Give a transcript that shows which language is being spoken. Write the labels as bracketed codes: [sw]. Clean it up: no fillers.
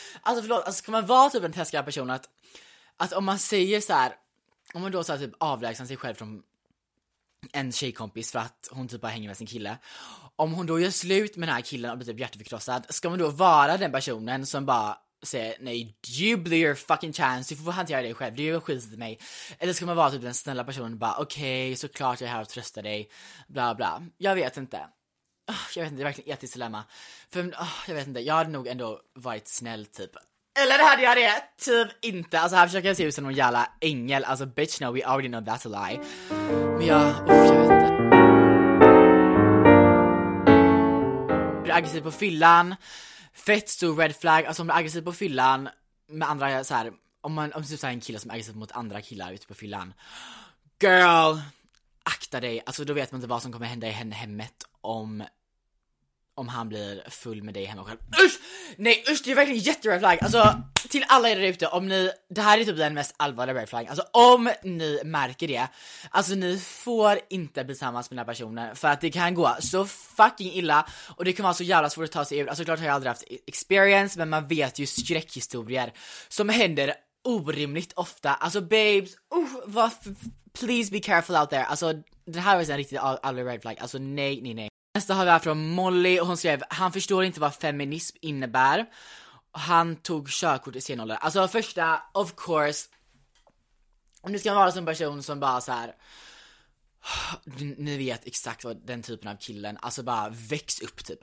[sv] Alltså förlåt, alltså ska man vara typ en taskig person att om man säger så här, om man då så här, typ avlägsnar sig själv från en tjejkompis för att hon typ bara hänger med sin kille, om hon då gör slut med den här killen och blir typ hjärtförkrossad, ska man då vara den personen som bara säg nej, [en] you blew your fucking chance. [sv] Du får hantera dig själv, det är ju skit till mig. Eller ska man vara typ den snälla personen och bara, okej, okay, såklart jag är här och tröstar dig, bla bla, jag vet inte, det är verkligen ett etiskt dilemma. För jag vet inte, jag hade nog ändå varit snäll typ. Eller hade jag det? Typ inte. Alltså här försöker jag se ut som någon jävla ängel. [en] Alltså bitch, no, we already know that's a lie. [sv] Men ja, jag vet inte. Du är aggressiv på fyllan. Fett stor red flag. Alltså om du är aggressiv på fyllan med andra så här, om du är en kille som är aggressiv mot andra killar ute på fyllan, girl, akta dig. Alltså då vet man inte vad som kommer hända i hemmet om han blir full med dig hemma själv. Usch! Nej, usch, det är verkligen jätteröd flagg. Alltså, till alla er där ute, om ni, det här är typ den mest allvarliga red flaggen. Alltså, om ni märker det, alltså, ni får inte bli tillsammans med den här personen, för att det kan gå så fucking illa. Och det kan vara så jävla svårt att ta sig ur. Alltså, klart har jag aldrig haft experience, men man vet ju skräckhistorier som händer orimligt ofta. [en] Alltså, babes, please be careful out there. [sv] Alltså, det här är en riktigt allvarlig red flagg. Alltså, nej, nej, nej. Nästa har vi här från Molly, och hon skrev: han förstår inte vad feminism innebär. Han tog körkort i sen ålder. Alltså, första, [en] of course, [sv] om du ska vara en person som bara så här, ni vet exakt vad den typen av killen, alltså, bara väx upp typ.